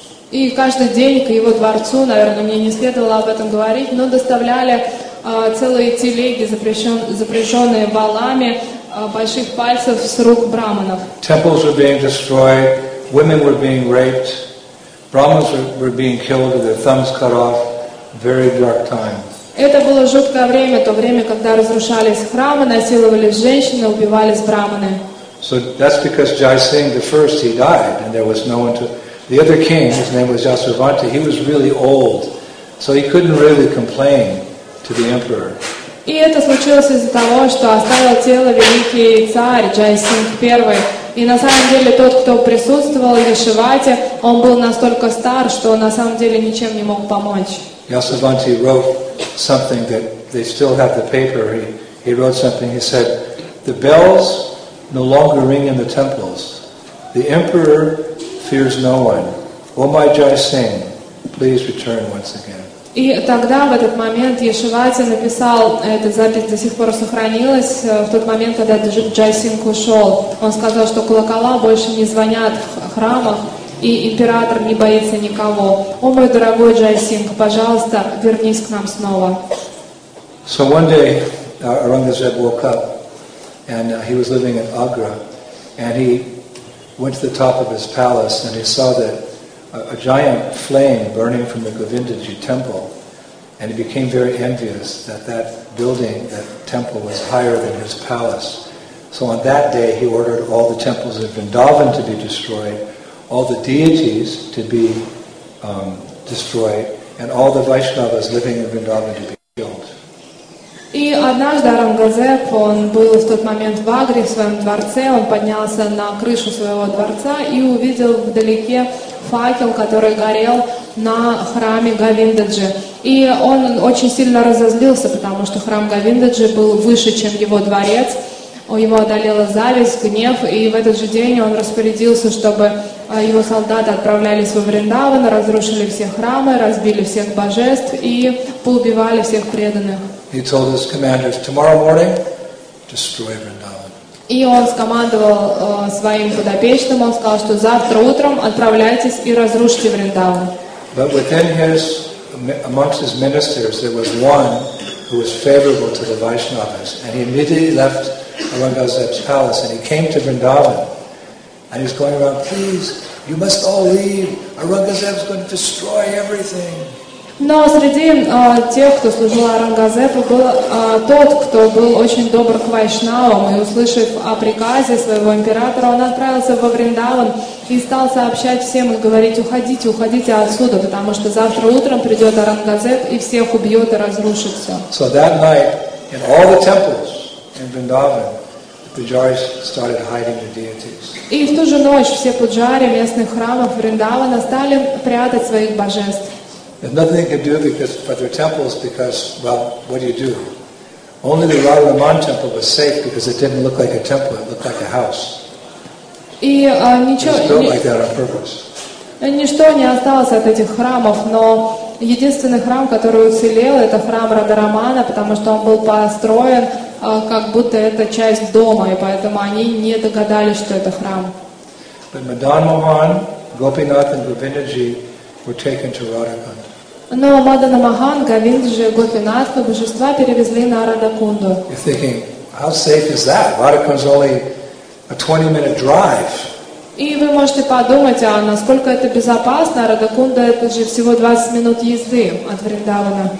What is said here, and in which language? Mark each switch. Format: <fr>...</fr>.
<ru>И каждый день к его дворцу, наверное, мне не следовало об этом говорить, но доставляли целые телеги, запряженные валами больших пальцев с рук браманов.</ru> <en>Temples were being destroyed, women were being raped, brahmins were being killed with their thumbs cut off. Very dark time.</en> <ru>Это было жуткое время, то время, когда разрушались храмы, насиловались женщины, убивались браманы.</ru> <en>So that's because Jai Singh the first he died, and there was no one to. The other king, his name was Yasovati, he was really old, so he couldn't really complain to the emperor.</en> <ru>И это случилось из-за того, что оставил тело великий царь Джайсинг I. И на самом деле тот, кто присутствовал в Ешивате, он был настолько стар, что на самом деле ничем не мог помочь.</ru> <en>Ясавантхи wrote something that they still have the paper. He wrote something. He said, "The bells no longer ring in the temples. The emperor fears no one. Oh my Jaisingh, please return once again."</en> <ru>И тогда, в этот момент, Ешивати написал, эта запись до сих пор сохранилась, в тот момент, когда Джайсинг ушел. Он сказал, что колокола больше не звонят в храмах, и император не боится никого. О, мой дорогой Джайсинг, пожалуйста, вернись к нам снова.</ru> <en>So one day, Aurangzeb woke up, and he was living in Agra, and he went to the top of his palace, and he saw that a giant flame burning from the Govindaji temple, and he became very envious that that building, that temple, was higher than his palace. So on that day, he ordered all the temples of Vrindavan to be destroyed, all the deities to be destroyed, and all the Vaishnavas living in Vrindavan to be killed.</en> <ru>И однажды Аурангзеб, он был в тот момент в Агре, в своем дворце, он поднялся на крышу своего дворца и увидел вдалеке факел, который горел на храме Говиндаджи. И он очень сильно разозлился, потому что храм Говиндаджи был выше, чем его дворец. Его одолела зависть, гнев, и в этот же день он распорядился, чтобы его солдаты отправлялись во Вриндаван, разрушили все храмы, разбили всех божеств и поубивали всех преданных.</ru> <en>He told his commanders, "Tomorrow morning, destroy Vrindavan."</en> <ru>И он скомандовал своим подопечным, он сказал, что завтра утром отправляйтесь и разрушите Вриндаван.</ru> <en>But within his, amongst his ministers, there was one who was favorable to the Vaishnavas, and he immediately left Aurangzeb's palace and he came to Vrindavan, and he's going around, "Please, you must all leave. Aurangzeb's going to destroy everything."</en> <ru>Но среди тех, кто служил Аурангазепу, был тот, кто был очень добр к вайшнавам, и, услышав о приказе своего императора, он отправился во Вриндаван и стал сообщать всем и говорить: «Уходите, уходите отсюда, потому что завтра утром придет Аурангазеп и всех убьет и разрушит все».</ru> <en>So that night, in all the temples in Vrindavan, Pujaris started hiding the deities.</en> <ru>И в ту же ночь все пуджари местных храмов Вриндавана стали прятать своих божеств.</ru> <en>There's nothing they can do because for their temples, because, well, what do you do? Only the Radha-Raman temple was safe because it didn't look like a temple, it looked like a house. It was built like that on purpose.</en> <ru>Ничто не осталось от этих храмов, но единственный храм, который уцелел, это храм Радха-Рамана, потому что он был построен как будто это часть дома, и поэтому они не догадались, что это храм.</ru> <en>But Madan Mohan, Gopinath and Govindaji were taken to Radhakund.</en> <ru>Но Мадана Махан, Говиндаджи, Гопинатха, божества перевезли на Радхакунду.</ru> <en>You're thinking, how safe is that? Radhakund's only a 20-minute drive.</en> <ru>И вы можете подумать, а насколько это безопасно? Радхакунда — это же всего 20 минут езды от Вриндавана.</ru>